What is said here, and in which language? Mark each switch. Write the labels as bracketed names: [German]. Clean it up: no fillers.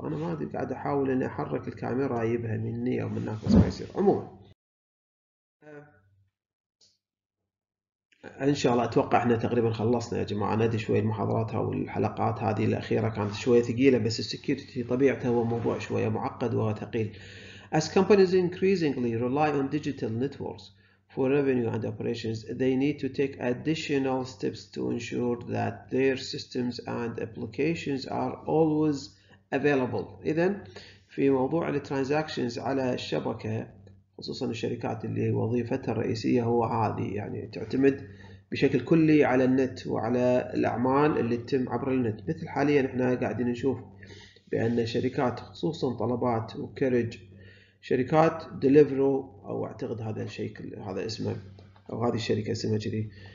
[Arabic] أنا ما أدري قاعد أحاول إني أحرك الكاميرا أجيبها مني أو من هناك بس ما يصير. عموما ان شاء الله اتوقع احنا تقريبا خلصنا يا جماعه. ندي شوي المحاضرات والحلقات هذه الاخيره كانت شويه ثقيله بس السكيورتي طبيعته هو موضوع شويه معقد وثقيل. [English] As companies increasingly rely on digital networks for revenue and operations, they need to take additional steps to ensure that their systems and applications are always available. [Arabic] اذا في موضوع الترانزاكشنز على الشبكه خصوصا الشركات اللي وظيفتها الرئيسيه هو هذه يعني تعتمد بشكل كلي على النت وعلى الاعمال اللي تتم عبر النت مثل حاليا احنا قاعدين نشوف بان شركات خصوصا طلبات وكرج شركات ديليفرو او اعتقد هذا الشيء هذا اسمه او هذه الشركه اسمها كذي